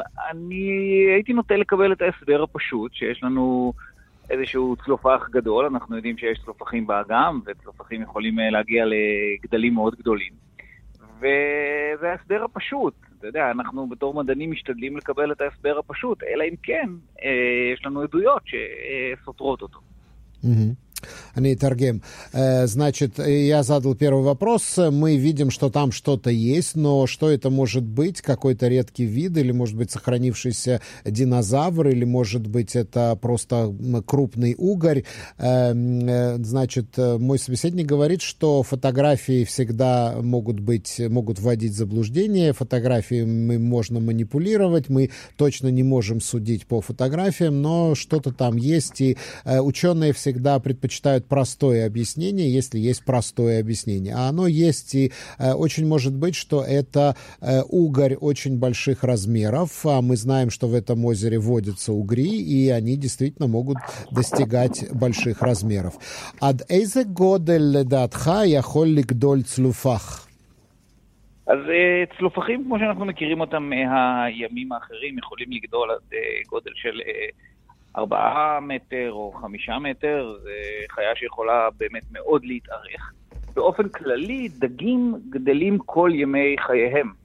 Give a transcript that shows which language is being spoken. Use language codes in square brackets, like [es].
[he] אני הייתי נוטה לקבל את ההסבר הפשוט, שיש לנו איזשהו צלופח גדול, אנחנו יודעים שיש צלופחים באגם, וצלופחים יכולים להגיע לגדלים מאוד גדולים. וזה ההסבר הפשוט. אתה יודע, אנחנו בתור מדענים משתדלים לקבל את ההסבר הפשוט, אלא אם כן, יש לנו עדויות שסותרות אותו. Mm-hmm. [ru] Они торгем. Значит, я задал первый вопрос. Мы видим, что там что-то есть, но что это может быть? Какой-то редкий вид или, может быть, сохранившийся динозавр, или, может быть, это просто крупный угорь? Значит, мой собеседник говорит, что фотографии всегда могут вводить в заблуждение. Фотографии мы можно манипулировать, мы точно не можем судить по фотографиям, но что-то там есть, и ученые всегда предпочитают простое объяснение, если есть простое объяснение. А оно есть, и очень может быть, что это угорь очень больших размеров. А мы знаем, что в этом озере водятся угри, и они действительно могут достигать больших размеров. [he] Ад эйзе годель ледатха яхоллик доль цлюфах? אז צלופחים, כמו שאנחנו מכירים אותם מהימים האחרים, יכולים לגדול עד גודל של 4 מטר או 5 מטר, זה חיה שיכולה באמת מאוד להתארך. באופן כללי, דגים גדלים כל ימי חייהם.